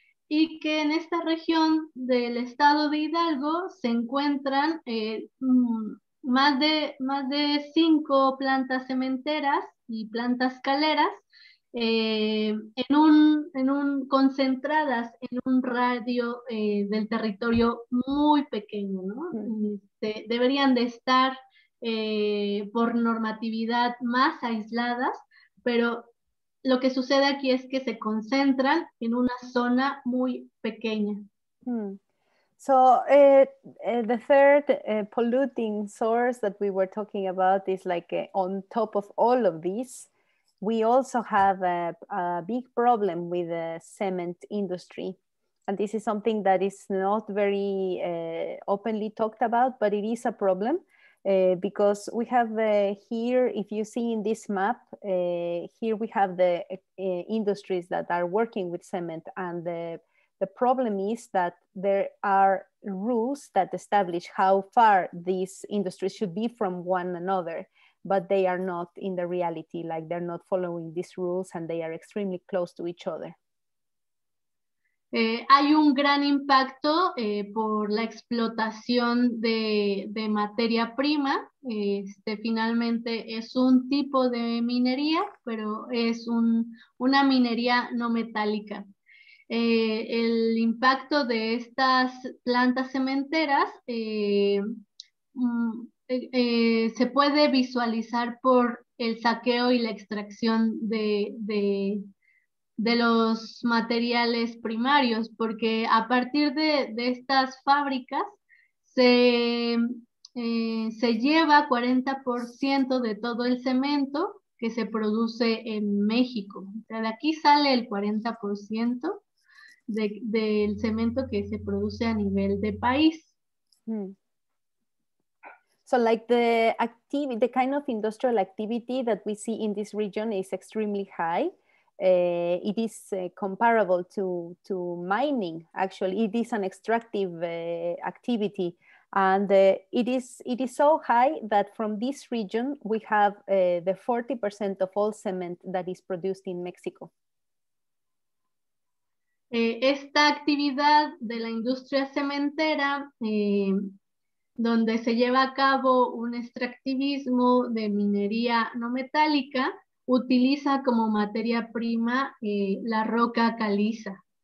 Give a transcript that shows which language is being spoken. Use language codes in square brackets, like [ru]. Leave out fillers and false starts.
[es] y que en esta región del estado de Hidalgo se encuentran más de 5 plantas cementeras y plantas caleras en un concentradas en un radio del territorio muy pequeño, ¿no? Deberían de estar por normatividad más aisladas, pero lo que sucede aquí es que se concentran en una zona muy pequeña. [en] So the third polluting source that we were talking about is like on top of all of this, we also have a big problem with the cement industry. And this is something that is not very openly talked about, but it is a problem. Because we have here, if you see in this map, here we have the industries that are working with cement. And the problem is that there are rules that establish how far these industries should be from one another, but they are not in the reality, like they're not following these rules and they are extremely close to each other. [es] Hay un gran impacto por la explotación de materia prima. Finalmente es un tipo de minería, pero es una minería no metálica. El impacto de estas plantas cementeras se puede visualizar por el saqueo y la extracción de los materiales primarios, porque a partir de estas fábricas se lleva 40% de todo el cemento que se produce en México. O sea, de aquí sale el 40% del cemento que se produce a nivel de país. [en] So like the kind of industrial activity that we see in this region is extremely high. It is comparable to mining, actually. It is an extractive activity. And it is so high that from this region, we have the 40% of all cement that is produced in Mexico. [es] Esta actividad de la industria cementera, donde se lleva a cabo un extractivismo de minería no metálica, utiliza como materia prima la roca caliza.